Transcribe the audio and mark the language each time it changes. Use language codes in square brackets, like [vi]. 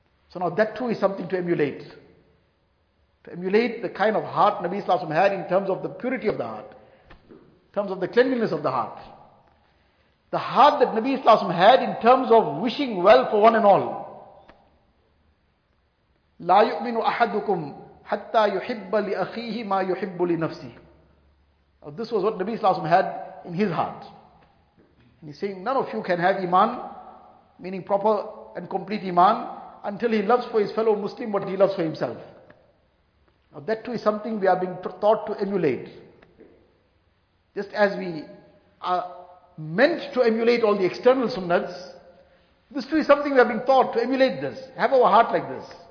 [en] So now that too is something to emulate. To emulate the kind of heart Nabi Sallallahu Alaihi Wasallam had in terms of the purity of the heart. In terms of the cleanliness of the heart. The heart that Nabi Sallallahu Alaihi Wasallam had in terms of wishing well for one and all. [ar] لا يؤمن أحدكم حتى يحب لأخيه ما يحب لنفسه. [en] Now this was what Nabi Sallallahu Alaihi Wasallam had in his heart. And he's saying, none of you can have iman, meaning proper and complete iman, until he loves for his fellow Muslim what he loves for himself. Now that too is something we are being taught to emulate. Just as we are meant to emulate all the external sunnats, this too is something we are being taught to emulate this, have our heart like this.